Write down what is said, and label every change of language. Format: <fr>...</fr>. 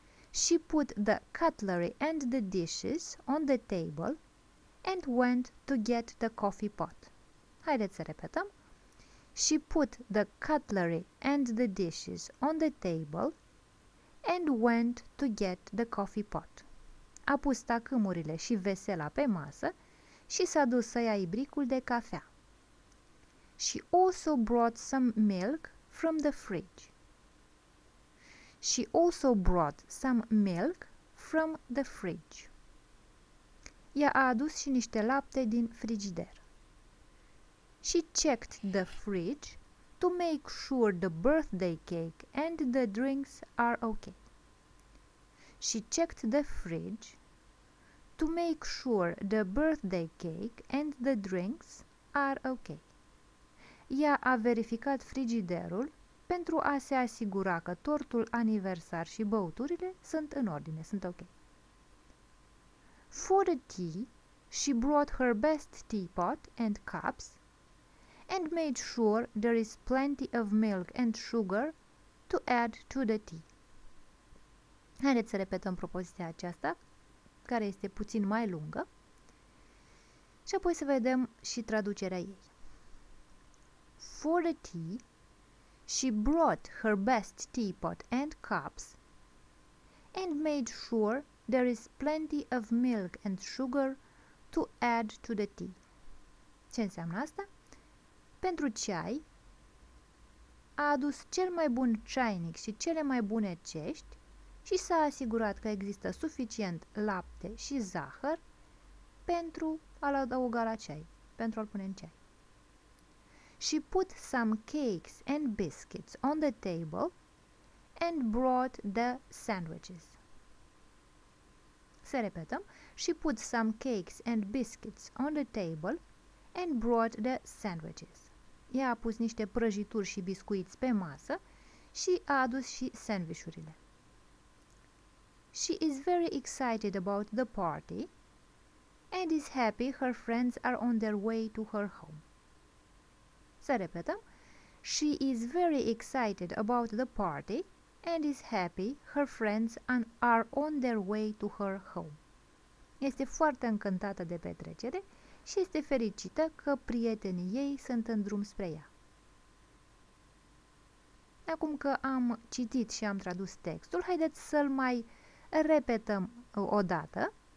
<en>She put the cutlery and the dishes on the table and went to get the coffee pot.</en> <ro>Haideți să repetăm.</ro> <en>She put the cutlery and the dishes on the table and went to get the coffee pot.</en> <ro>A pus tacâmurile și vesela pe masă și s-a dus să ia ibricul de cafea.</ro> <en>She also brought some milk from the fridge. She also brought some milk from the fridge.</en> <ro>Ea a adus și niște lapte din frigider.</ro> <en>She checked the fridge to make sure the birthday cake and the drinks are okay. She checked the fridge to make sure the birthday cake and the drinks are okay.</en> <ro>Ea a verificat frigiderul pentru a se asigura că tortul aniversar și băuturile sunt în ordine, sunt ok.</ro> <en>For the tea, she brought her best teapot and cups and made sure there is plenty of milk and sugar to add to the tea.</en> <ro>Haideți să repetăm propoziția aceasta, care este puțin mai lungă, și apoi să vedem și traducerea ei.</ro> <en>For the tea, she brought her best teapot and cups and made sure there is plenty of milk and sugar to add to the tea.</en> <ro>Ce înseamnă asta? Pentru ceai, a adus cel mai bun ceainic și cele mai bune cești și s-a asigurat că există suficient lapte și zahăr pentru a-l adăuga la ceai, pentru a-l pune în ceai.</ro> <en>She put some cakes and biscuits on the table and brought the sandwiches.</en> <ro>Să repetăm.</ro> <en>She put some cakes and biscuits on the table and brought the sandwiches.</en> <ro>Ea a pus niște prăjituri și biscuiți pe masă și a adus și sandvișurile.</ro> <en>She is very excited about the party and is happy her friends are on their way to her home.</en> <ro>Să repetăm.</ro> <en>She is very excited about the party and is happy her friends are on their way to her home.</en> <ro>Este foarte încântată de petrecere și este fericită că prietenii ei sunt în drum spre ea. Acum că am citit și am tradus textul, haideți să-l mai repetăm o dată.</ro>